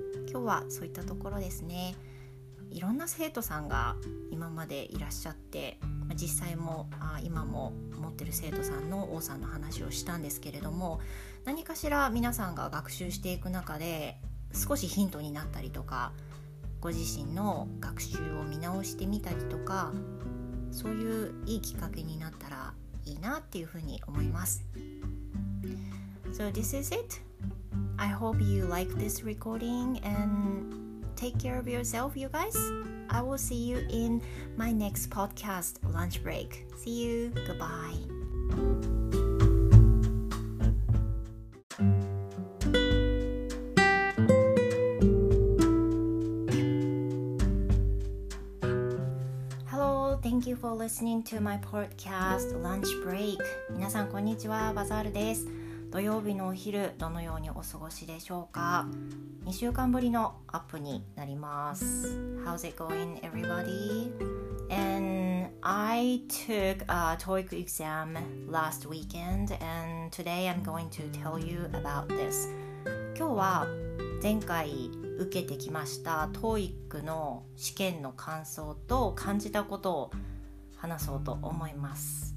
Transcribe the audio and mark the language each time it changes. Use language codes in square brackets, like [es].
[ja] 今日はそういったところですね。いろんな生徒さんが今までいらっしゃって、実際も今も持ってる生徒さんの王さんの話をしたんですけれども、何かしら皆さんが学習していく中で少しヒントになったりとか、ご自身の学習を見直してみたりとか、そういういいきっかけになったらいいなっていうふうに思います。 [en] So this is it. I hope you like this recording and take care of yourself, you guys. I will see you in my next podcast lunch break. See you. Goodbye. Hello, thank you for listening to my podcast lunch break. [ja] 皆さんこんにちは、バザールです。土曜日のお昼、どのようにお過ごしでしょうか。 2週間ぶりのアップになります。 [en] How's it going, everybody? And I took a TOEIC exam last weekend, and today I'm going to tell you about this. [ja] 今日は前回受けてきました TOEIC の試験の感想と感じたことを話そうと思います。